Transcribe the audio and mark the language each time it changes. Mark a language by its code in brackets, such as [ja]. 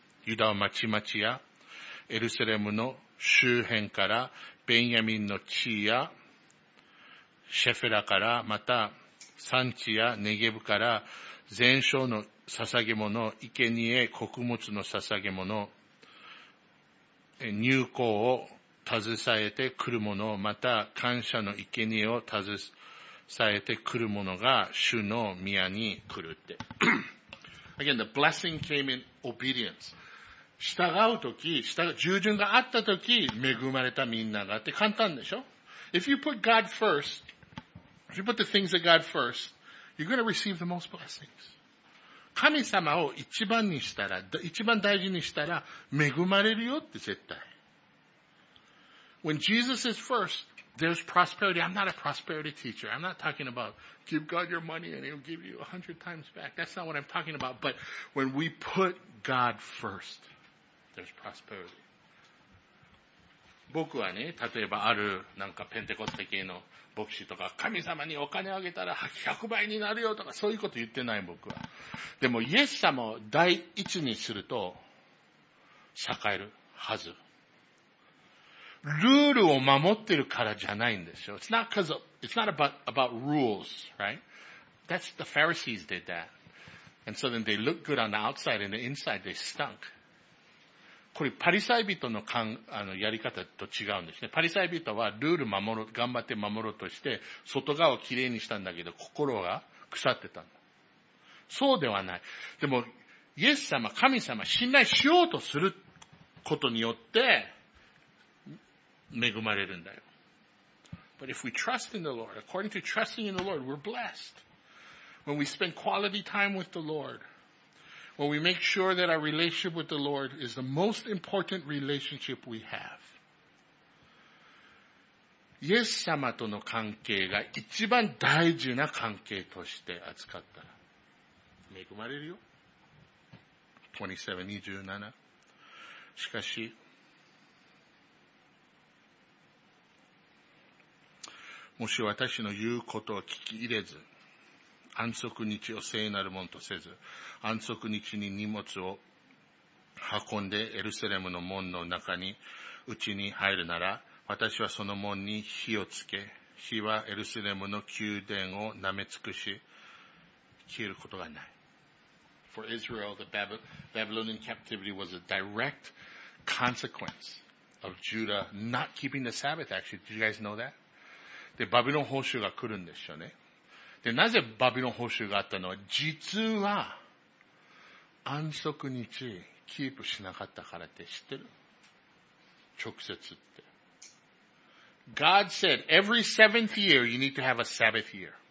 [ja] ユダは町々や、エルサレムの周辺から、ベンヤミンの地や、シェフェラから、また、山地やネゲブから、全焼の捧げ物、生贄、穀物の捧げ物、入港を携えてくる者、また感謝の生贄を携えてくる者が主の宮に来るって。 [en] Again, the blessing came in obedience. [ja] 従うとき、従順があったとき、恵まれたみんながって簡単でしょ [en] ?If you put God first, if you put the things of God first, you're going to receive the most blessings. [ja] 神様を一番にしたら、一番大事にしたら、恵まれるよって絶対。 [en] When Jesus is first, there's prosperity. I'm not a prosperity teacher. I'm not talking about give God your money and he'll give you 100 times back. That's not what I'm talking about. But when we put God first, there's prosperity. [ja] 僕はね、例えばあるなんかペンテコステ系の牧師とか、神様にお金あげたら100倍になるよとか、そういうこと言ってない僕は。でもイエス様を第一にすると、栄えるはず。ルールを守ってるからじゃないんですよ。 [en] It's not because of, it's not about, about rules, right? That's the Pharisees did that. And so then they look good on the outside and the inside they stunk. [ja] これパリサイ人の感、あの、やり方と違うんですね。パリサイ人はルール守ろう、頑張って守ろうとして、外側をきれいにしたんだけど、心が腐ってたの。そうではない。でも、イエス様、神様、信頼しようとすることによって、恵まれるんだよ。 [en] But if we trust in the Lord, according to trusting in the Lord, we're blessed. When we spend quality time with the Lord, when we make sure that our relationship with the Lord is the most important relationship we have. [ja] イエス様との関係が一番大事な関係として扱ったら、恵まれるよ。 27:27。しかし、もし私の言うことを聞き入れず、安息日を聖なるものとせず、安息日に荷物を運んでエルサレムの門の中に、内に入るなら、私はその門に火をつけ、火はエルサレムの宮殿を舐め尽くし、消えることがない。 [en] For Israel, the Babylonian captivity was a direct consequence of Judah not keeping the Sabbath, actually. Did you guys know that? [ja] で、バビロン報酬が来るんですよね。で、なぜバビロン報酬があったのは、実は、安息日キープしなかったからって知ってる？直接って。 [en] God said, every seventh year you need to have a Sabbath year.